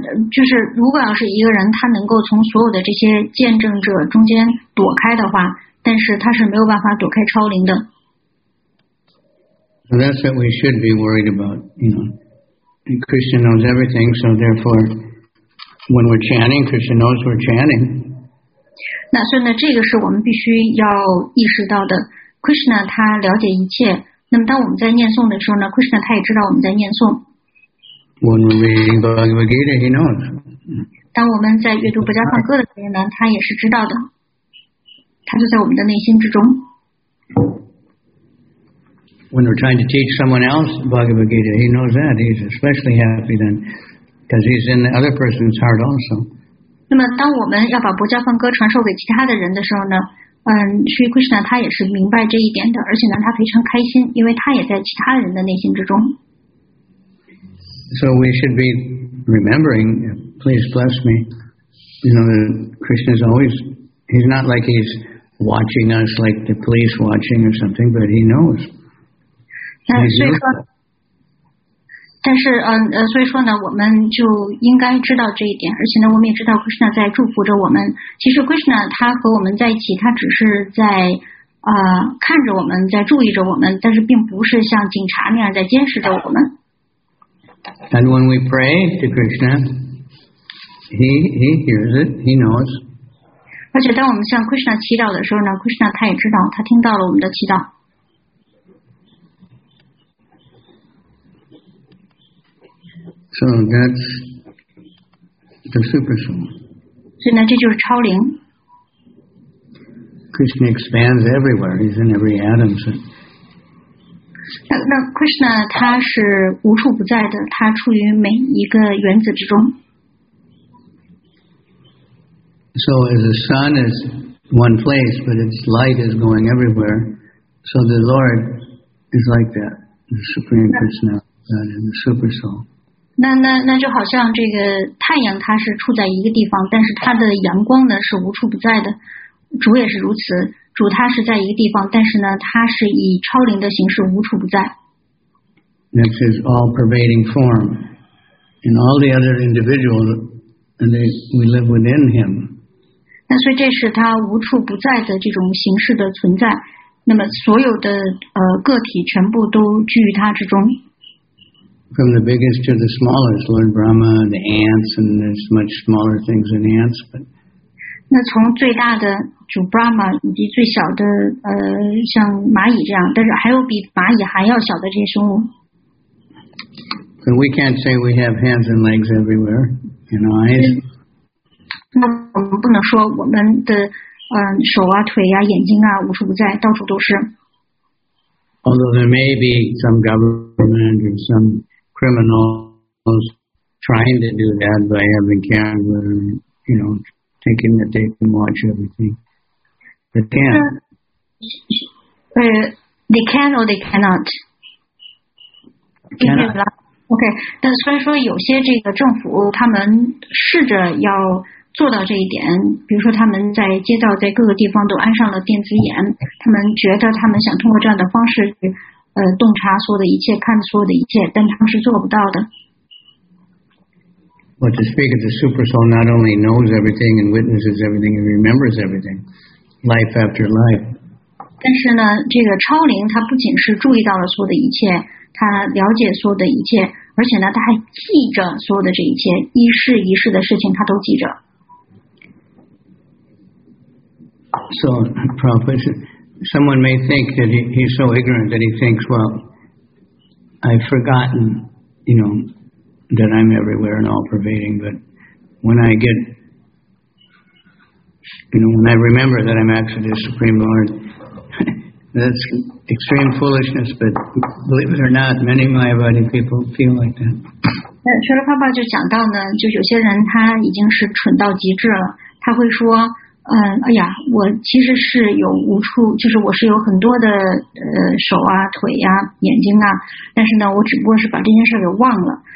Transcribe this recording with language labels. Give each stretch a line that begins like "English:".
Chinese: 就是如果要是一个人他能够从所有的这些见证者中间躲开的话，但是他是没有办法躲开超灵的。
English: So that's what we should be worried about, you know. Krishna knows everything, so therefore, when we're chanting, Krishna knows we're chanting.
Chinese: 那所以呢，这个是我们必须要意识到的。 Krishna 他了解一切。那么当我们在念诵的时候呢 ，Krishna 他也知道我们在念诵。
English: When we're reading Bhagavad Gita, he knows.
Chinese: 当我们在阅读《不加放歌》的时候呢，他也是知道的。他就在我们的内心之中。
English: When we're trying to teach someone else Bhagavad Gita, he knows that. He's especially happy then, because he's in the other person's heart also.
Chinese: 那么当我们要把不加放歌传授给其他的人的时候呢，Sri Krishna 他也是明白这一点的，而且呢，他非常开心，因为他也在其他人的内心之中。
English: So we should be remembering, please bless me. You know, Krishna is always, he's not like he's watching us like the police watching or something, but he knows.
Chinese: 所以说呢，我们就应该知道这一点，而且呢，我们也知道 Krishna 在祝福着我们。其实 Krishna 他和我们在一起，他只是在看着我们，在注意着我们，但是并不是像警察那样在监视着我们。
English: And when we pray to Krishna, he hears it, he knows.
Chinese: 而且当我们向 Krishna 祈祷的时候呢 ，Krishna 他也知道，他听到了我们的祈祷。
English: So that's the super soul.
Chinese: 所以呢，这就是超灵。
English: Krishna expands everywhere. He's in every atom. So.
Chinese: 那 Krishna 他是无处不在的，他处于每一个原子之中。
English: So as the sun is one place, but its light is going everywhere, so the Lord is like that, the supreme Krishna, God, and the super soul.
Chinese: 那就好像这个太阳它是处在一个地方，但是它的阳光呢是无处不在的，主也是如此，主它是在一个地方，但是呢它是以超灵的形式无处不在。
English: That's his all pervading form and all the other individuals and we live within him.
Chinese: 那所以这是它无处不在的这种形式的存在，那么所有的个体全部都居于它之中。
English: From the biggest to the smallest, Lord Brahma, the ants, and there's much smaller things than ants. But
Chinese: 那从最大的主 Brahma 以及最小的像蚂蚁这样，但是还有比蚂蚁还要小的这些生物。
English: But we can't say we have hands and legs everywhere and eyes.
Chinese: 那我们不能说我们的手啊、腿啊、眼睛啊无处不在，到处都是。
English: Although there may be some government or some criminals trying to do that by having cameras, you know, thinking that they can watch everything. They can. They can or they cannot. Cannot.
Chinese: OK， 但虽然说有些这个政府他们试着要做到这一点，比如说他们在街道在各个地方都安上了电子眼，他们觉得他们想通过这样的方式去洞察所有的一切，看所有的一切，但他们是做不到的。
English: Well, to speak of the super soul, not only knows everything and witnesses everything and remembers everything, life after life.
Chinese: 但是呢，这个超灵它不仅是注意到了所有的一切，它了解所有的一切，而且呢，它还记着所有的这一切，一世一世的事情它都记着。
English: So, Prophet, someone may think that he's so ignorant that he thinks, well, I've forgotten, you know,that I'm everywhere and all-pervading, but when I get, you know, when I remember that I'm actually the Supreme Lord, that's extreme foolishness, but believe it or not, many Mayavadi people feel like that.
Chinese: 薛拉帕帕就讲到呢，就有些人他已经是蠢到极致了，他会说，哎呀，我其实是有无处，就是我是有很多的手啊、腿啊、眼睛啊，但是呢，我只不过是把这件事给忘了。